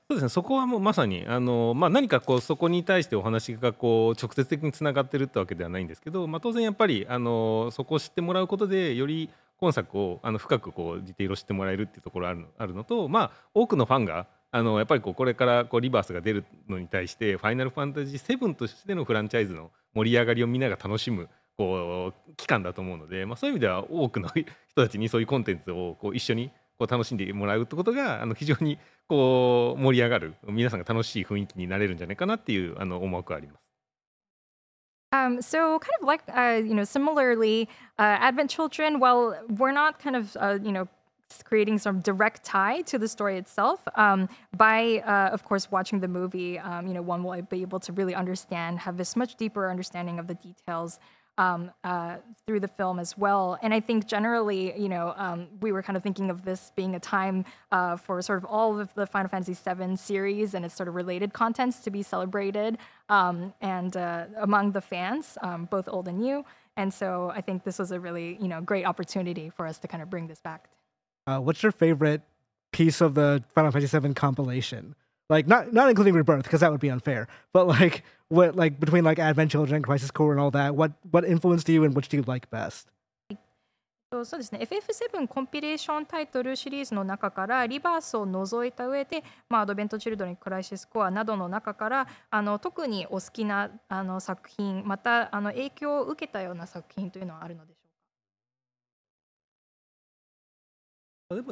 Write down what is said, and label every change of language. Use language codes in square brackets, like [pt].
[ja] そうですね、そこはもうまさにあの、まあ、何かこうそこに対してお話がこう直接的につながってるってわけではないんですけど、まあ、当然やっぱりあのそこを知ってもらうことでより今作をあの深くこうディテールを知ってもらえるっていうところあるのと、まあ、多くのファンがあのやっぱり これからこうリバースが出るのに対してファイナルファンタジー7としてのフランチャイズの盛り上がりをみんなが楽しむこう期間だと思うので、まあ、そういう意味では多くの人たちにそういうコンテンツをこう一緒にこう楽しんでもらうってことがあの非常にこう盛り上がる、皆さんが楽しい雰囲気になれるんじゃないかなっていうあの思惑があります。 [en] So kind of like, you know, similarly, Advent Children, while we're not kind of, you know, creating some direct tie to the story itself, by, of course, watching the movie, you know, one will be able to really understand, have this much deeper understanding of the details through the film as well. And I think generally, you know, we were kind of thinking of this being a time for sort of all of the Final Fantasy VII series and its sort of related contents to be celebrated among the fans, both old and new. And so I think this was a really, you know, great opportunity for us to kind of bring this back. What's your favorite piece of the Final Fantasy VII compilation? Like, not including Rebirth, because that would be unfair, but like, what, like between like Advent Children, Crisis Core, and all that, what influenced you and which do you like best? [ja] そうですね、FF7 コンピレーションタイトルシリーズの中からリバースを除いた上で、まあ、アドベントチルドレン、クライシスコアなどの中から特にお好きな作品、また影響を受けたような作品というのはあるのでしょうか。